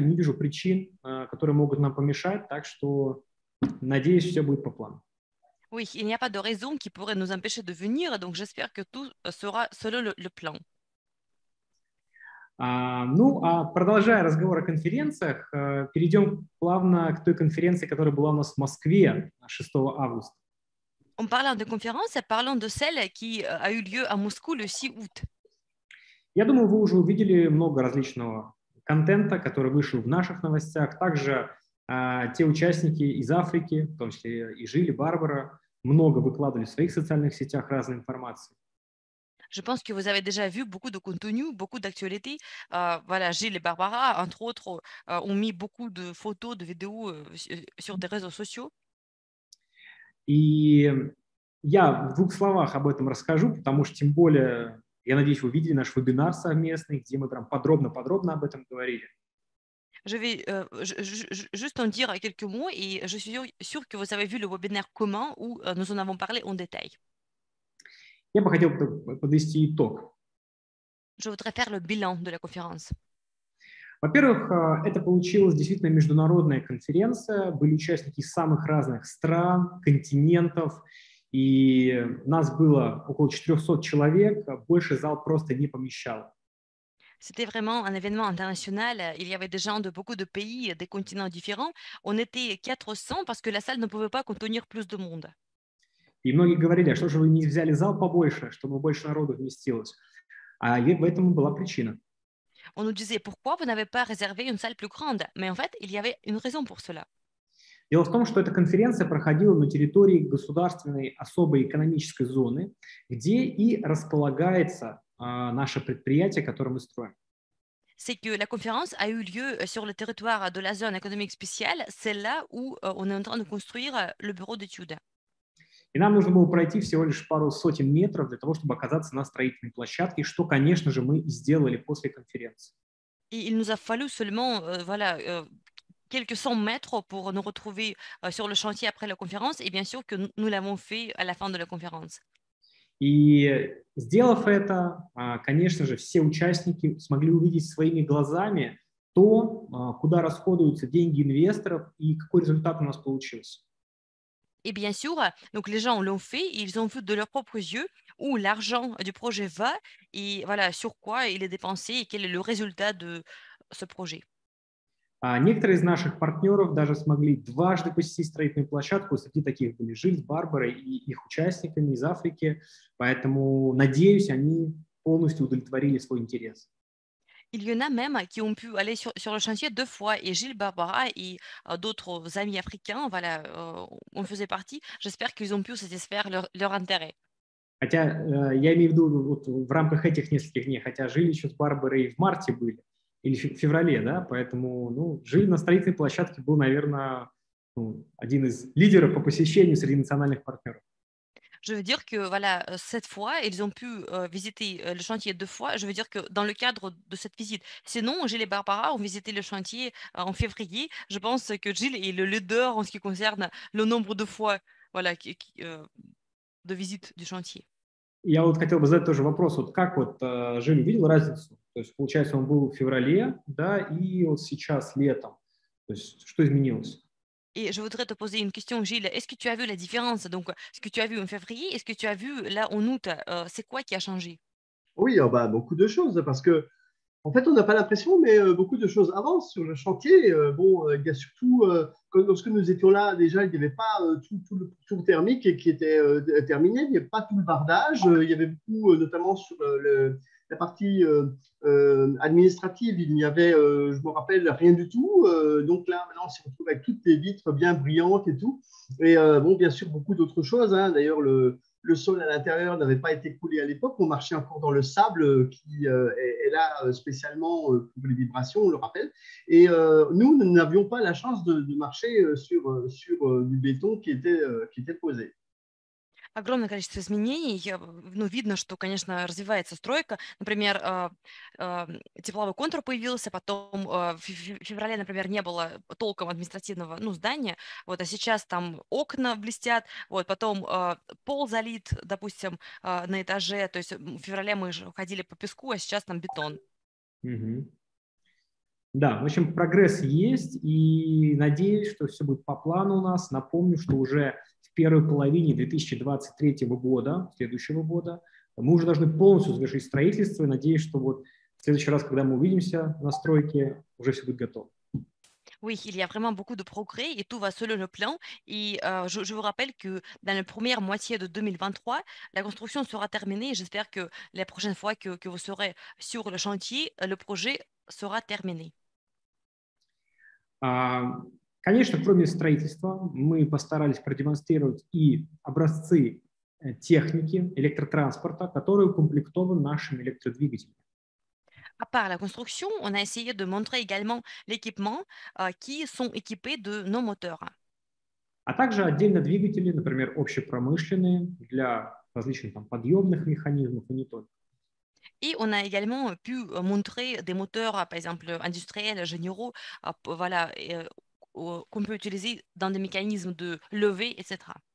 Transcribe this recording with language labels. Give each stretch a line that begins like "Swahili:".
Russian: Не вижу причин, которые могут нам помешать, так что надеюсь, все будет по плану.
French: Oui, il n'y a pas de raison qui pourrait nous empêcher de venir, donc j'espère que tout sera selon le plan.
Russian: Продолжая разговор о конференциях, перейдем плавно к той конференции, которая была у нас в Москве 6 августа.
French: En parlant de conférences, parlons de celle qui a eu lieu à Moscou le 6 août.
Russian: Я думаю, вы уже увидели много различного контента, который вышел в наших новостях. Также те участники из Африки, в том числе и Жили, Барбара, много выкладывали в своих социальных сетях разной информации.
French: Je pense que vous avez déjà vu beaucoup de contenu, beaucoup d'actualités. Voilà, Gilles et Barbara, entre autres, ont mis beaucoup de photos, de vidéos, sur des réseaux sociaux.
Russian: И я в двух словах об этом расскажу, потому что, тем более, я надеюсь, вы видели наш вебинар совместный, где мы прям подробно-подробно об этом говорили.
French: Je vais juste en dire quelques mots et je suis sûre que vous avez vu le webinaire commun où nous en avons parlé en détail.
Russian: Я бы хотел подвести итог.
French: Je voudrais faire le bilan de la conférence.
Russian: Во-первых, это получилась действительно международная конференция. Были участники из самых разных стран, континентов. И нас было около 400 человек. Больше зал просто не помещал.
French: C'était vraiment un événement international. Il y avait des gens de beaucoup de pays, des continents différents. On était 400 parce que la salle ne pouvait pas contenir plus de monde.
Russian: И многие говорили, а что же вы не взяли зал побольше, чтобы больше народу вместилось? А в этом была причина.
French: On nous disait pourquoi vous n'avez pas réservé une salle plus grande, mais en fait, il y avait une raison pour cela.
Russian: Дело в том, что эта конференция проходила на территории государственной особой экономической зоны, где и располагается наше предприятие, которое мы строим.
French: C'est que la conférence a eu lieu sur le territoire de la zone économique spéciale, celle-là où on est en train de construire le bureau d'études.
Russian: И нам нужно было пройти всего лишь пару сотен метров для того, чтобы оказаться на строительной площадке, что, конечно же, мы и сделали после конференции.
French: Et il nous a fallu seulement quelques cent mètres pour nous retrouver sur le chantier après la conférence, et bien sûr que nous l'avons fait à la fin de la conférence.
Russian: И сделав это, конечно же, все участники смогли увидеть своими глазами то, куда расходуются деньги инвесторов и какой результат у нас получился.
French: Et bien sûr, donc les gens l'ont fait, ils ont vu de leurs propres yeux où l'argent du projet va et voilà sur quoi il est dépensé et quel est le résultat de ce projet.
Russian: Некоторые из наших партнеров даже смогли дважды посетить строительную площадку. Среди таких были Жиль с Барбарой и их участниками из Африки. Поэтому, надеюсь, они полностью удовлетворили свой интерес.
French: Il y en a même qui ont pu aller sur le chantier deux fois, et Gilles Barbara et d'autres amis africains, voilà, on faisait partie. J'espère qu'ils ont pu satisfaire leur intérêt.
Russian: Хотя я имею в виду вот, в рамках этих нескольких дней, хотя Жиль еще с Барбарой и в марте были. Или в феврале, да? Поэтому, жили на строительной площадке, был, наверное, один из лидеров по посещению среди национальных партнеров.
French: Je veux dire que voilà, cette fois, ils ont pu visiter le chantier deux fois. Je veux dire que dans le cadre de cette visite. Sinon, Gilles et Barbara ont visité le chantier en février. Je pense que Gilles est le leader en ce qui concerne le nombre de fois voilà, de visite du chantier.
Russian: Я вот хотел бы задать тоже вопрос, вот как вот Жень увидел разницу? То есть, получается, он был в феврале, да, и вот сейчас летом. То есть, что изменилось?
French: Et je voudrais te poser une question, Gilles. Est-ce que tu as vu la différence? Donc, ce que tu as vu en février, est-ce que tu as vu là en août, c'est quoi qui a changé? Oui, beaucoup de choses, parce que en fait, on n'a pas l'impression, mais beaucoup de choses avancent sur le chantier. Il y a surtout, lorsque nous étions là, déjà, il n'y avait pas tout le tour thermique qui était terminé, il n'y avait pas tout le bardage. Il y avait beaucoup, notamment sur la partie administrative, il n'y avait, je me rappelle, rien du tout. Donc là, maintenant, on se retrouve avec toutes les vitres bien brillantes et tout. Et bien sûr, beaucoup d'autres choses, hein. D'ailleurs, le sol à l'intérieur n'avait pas été coulé à l'époque. On marchait encore dans le sable qui est là spécialement pour les vibrations, on le rappelle. Et nous, nous n'avions pas la chance de marcher sur du béton qui était posé.
Russian: Огромное количество изменений. Ну, видно, что, конечно, развивается стройка. Например, тепловой контур появился, потом в феврале, например, не было толком административного, ну, здания. Вот, а сейчас там окна блестят, вот, потом пол залит, допустим, на этаже. То есть в феврале мы же ходили по песку, а сейчас там бетон. Mm-hmm. Да, в общем, прогресс есть, и надеюсь, что все будет по плану у нас. Напомню, что уже в первой половине 2023 года, следующего года, мы уже должны полностью завершить строительство, и надеюсь, что вот в следующий раз, когда мы увидимся на стройке, уже все будет готово.
French: Oui, il y a vraiment beaucoup de progrès et tout va selon le plan. Et je vous rappelle que dans la première moitié de 2023, la construction sera terminée. Et j'espère que la prochaine fois que vous serez sur le chantier, le projet sera terminé.
Russian: Конечно, кроме строительства, мы постарались продемонстрировать и образцы техники электротранспорта, которые укомплектованы нашими электродвигателями.
French: À part la construction, on a essayé de montrer également l'équipement qui sont équipés de nos moteurs.
Russian: А также отдельно двигатели, например, общепромышленные для различных там подъемных механизмов и не только.
French: Et on a également pu montrer des moteurs, par exemple industriels, généraux, voilà, qu'on peut utiliser dans des mécanismes de levée, etc.